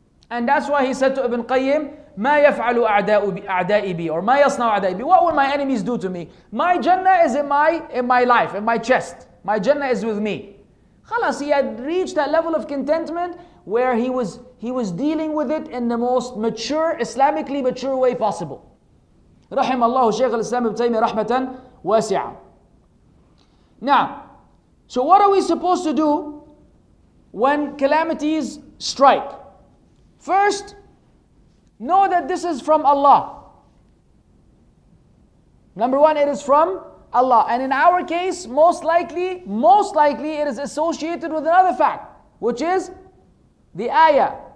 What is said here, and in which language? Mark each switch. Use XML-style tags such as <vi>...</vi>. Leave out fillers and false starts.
<en>And that's why he said to Ibn Qayyim,</en> <ar>مَا يَفْعَلُ أَعْدَائِ بِي</ar> <en>or</en> <ar>مَا يَصْنَعُ أَعْدَائِ بِي.</ar> <en>What will my enemies do to me? My Jannah is in my life, in my chest. My Jannah is with me. Khalas, he had reached that level of contentment where he was dealing with it in the most mature, Islamically mature way possible.</en> <ar>رحم الله شيخ الإسلام ابن تيمية رحمة واسعة.</ar> <en>Now, so what are we supposed to do when calamities strike? First, know that this is from Allah. Number one, it is from Allah. And in our case, most likely it is associated with another fact, which is the ayah.</en>